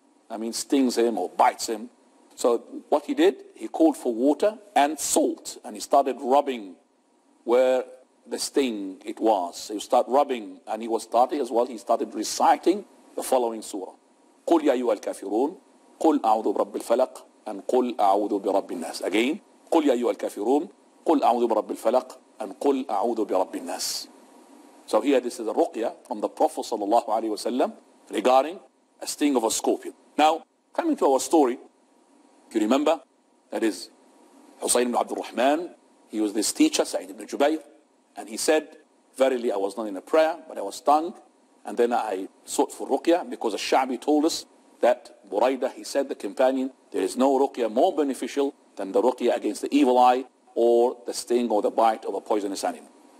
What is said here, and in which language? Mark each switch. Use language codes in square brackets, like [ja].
[en] I mean, stings him or bites him. So what he did, he called for water and salt. And he started rubbing where the sting it was. He started rubbing and he was starting as well. He started reciting the following surah. [ar] قُلْ يَا أَيُّهَا الْكَافِرُونَ قُلْ أَعُوذُ بِرَبِّ الْفَلَقِ and قُلْ أَعُوذُ بِرَبِّ النَّاسِ. Again, قُلْ يَا أَيُّهَا الْكَافِرُونَ قُلْ أَعُوذُ بِرَبِّ الْفَلَقِ and قُلْ أَعُوذُ بِرَبِّ النَّاسِ. [en] So here this is a ruqya from the Prophet sallallahu alaihi wasallam regarding a sting of a scorpion. Now, coming to our story, you remember that is Husayn ibn Abdul Rahman, he was this teacher, Sa'id ibn Jubayr, and he said, verily I was not in a prayer, but I was stung, and then I sought for ruqya because al-Sha'bi told us that Buraida, he said, the companion, there is no ruqya more beneficial than the ruqya against the evil eye or the sting or the bite of a poisonous animal.